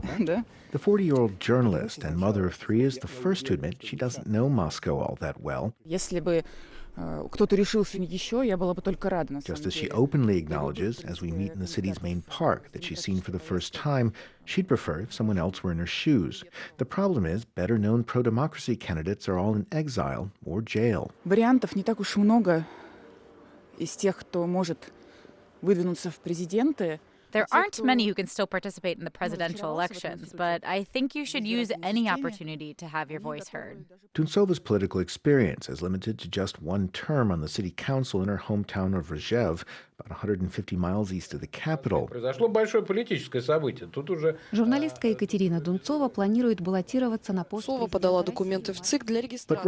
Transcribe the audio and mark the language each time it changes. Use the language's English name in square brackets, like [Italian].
[English] The 40-year-old journalist and mother of three is the first to admit she doesn't know Moscow all that well. Just as she openly acknowledges as we meet in the city's main park that she's seen for the first time, she'd prefer if someone else were in her shoes. The problem is better-known pro-democracy candidates are all in exile or jail. [Russian] Вариантов не так уж много из тех, кто может выдвинуться в президенты. [English] There aren't many who can still participate in the presidential elections, but I think you should use any opportunity to have your voice heard. Dunsova's political experience is limited to just one term on the city council in her hometown of Rzhev, about 150 miles east of the capital. [Russian] Журналистка Екатерина Дунцова планирует баллотироваться на пост. Дунцова подала документы в ЦИК для регистрации.